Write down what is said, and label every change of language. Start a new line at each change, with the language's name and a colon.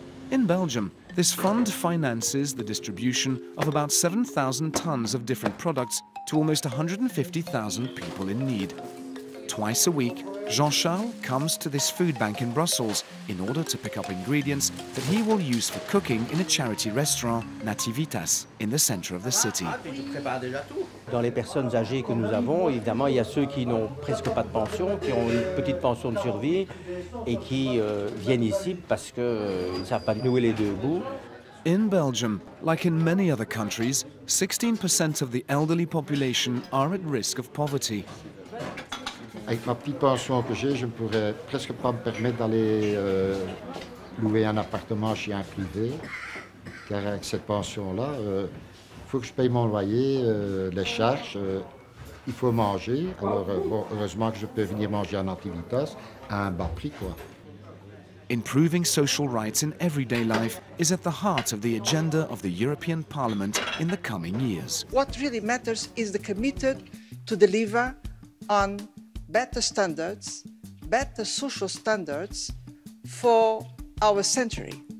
English: In Belgium, this fund finances the distribution of about 7,000 tons of different products to almost 150,000 people in need. Twice a week, Jean-Charles comes to this food bank in Brussels in order to pick up ingredients that he will use for cooking in a charity restaurant, Nativitas, in the center of the city.
French: Dans les personnes âgées que nous avons, évidemment, il y a ceux qui n'ont presque pas de pension, qui ont une petite pension de survie et qui viennent ici parce qu'ils ne savent pas nouer les deux bouts.
English: In Belgium, like in many other countries, 16% of the elderly population are at risk of poverty.
French: Avec ma petite pension que j'ai, je ne pourrais presque pas me permettre d'aller louer un appartement chez un privé. Car avec cette pension-là, il faut que je paye mon loyer, les charges, il faut manger. Alors bon, heureusement que je peux venir manger en Nativitas à un bas prix, quoi.
English: Improving social rights in everyday life is at the heart of the agenda of the European Parliament in the coming years. What really matters is the commitment to deliver on better standards better social standards for our century.